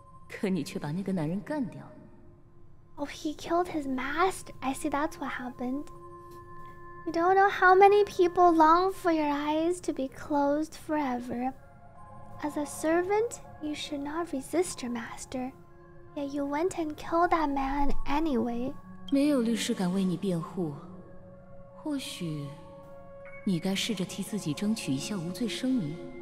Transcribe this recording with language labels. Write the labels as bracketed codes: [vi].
[zh] 你不知道有多少人盼着你永远闭上眼睛。身为奴隶，你不该反抗主人的。可你却把那个男人干掉。 [en] Oh, he killed his master. I see, that's what happened. You don't know how many people long for your eyes to be closed forever. As a servant, you should not resist your master. Yet you went and killed that man anyway. [zh] 没有律师敢为你辩护，或许你该试着替自己争取一下无罪声明。